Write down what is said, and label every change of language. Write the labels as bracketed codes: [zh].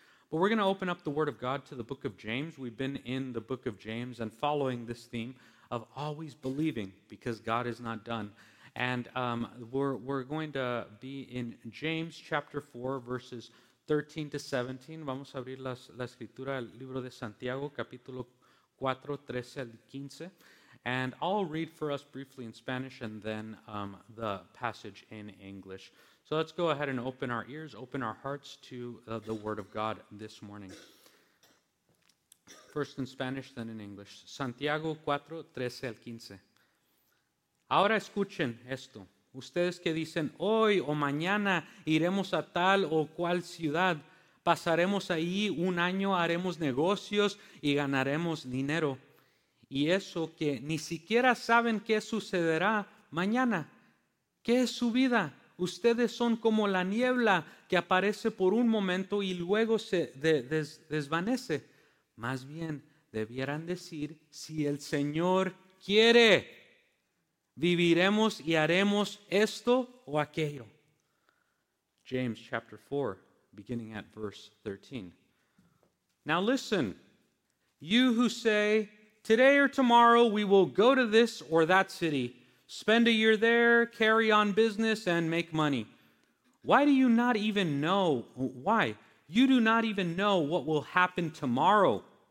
[en] But we're going to open up the Word of God to the book of James. We've been in the book of James and following this theme of always believing because God is not done. And we're going to be in James chapter 4, verses 13 to 17. [es] Vamos a abrir la escritura del libro de Santiago, capítulo 4, 13 al 15. [en] And I'll read for us briefly in Spanish and then the passage in English. So let's go ahead and open our ears, open our hearts to the Word of God this morning. First in Spanish, then in English. [es] Santiago 4, 13 al 15. Ahora escuchen esto. Ustedes que dicen, hoy o mañana iremos a tal o cual ciudad. Pasaremos ahí un año, haremos negocios y ganaremos dinero. Y eso que ni siquiera saben qué sucederá mañana. ¿Qué es su vida? Ustedes son como la niebla que aparece por un momento y luego se desvanece. Más bien, debieran decir, si el Señor quiere, viviremos y haremos esto o aquello. [en] James chapter 4, beginning at verse 13. Now listen, you who say, today or tomorrow we will go to this or that city, spend a year there, carry on business, and make money. You do not even know what will happen tomorrow.